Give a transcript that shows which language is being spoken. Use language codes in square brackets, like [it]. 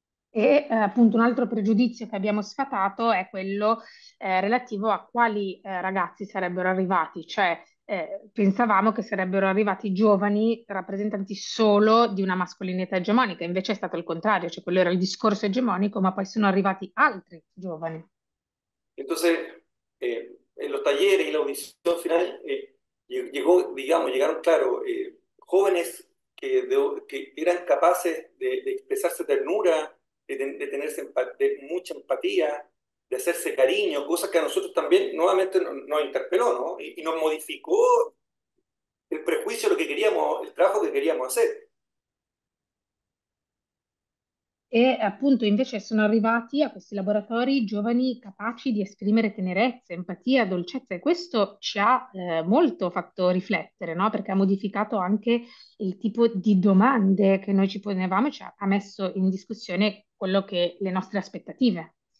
[it] E appunto un altro pregiudizio che abbiamo sfatato è quello relativo a quali ragazzi sarebbero arrivati, cioè pensavamo che sarebbero arrivati giovani rappresentanti solo di una mascolinità egemonica, invece è stato il contrario, cioè quello era il discorso egemonico, ma poi sono arrivati altri giovani. [es] Entonces, en los talleres y la audición final, llegó, digamos, llegaron, claro, jóvenes que eran capaces de expresarse ternura, de mucha empatía, de hacerse cariño, cosas que a nosotros también nuevamente nos interpeló, ¿no? Y nos modificó el prejuicio, lo que queríamos, el trabajo que queríamos hacer. [it] E appunto invece sono arrivati a questi laboratori giovani capaci di esprimere tenerezza, empatia, dolcezza e questo ci ha molto fatto riflettere, no? Perché ha modificato anche il tipo di domande che noi ci ponevamo e ci ha messo in discussione quello che le nostre aspettative.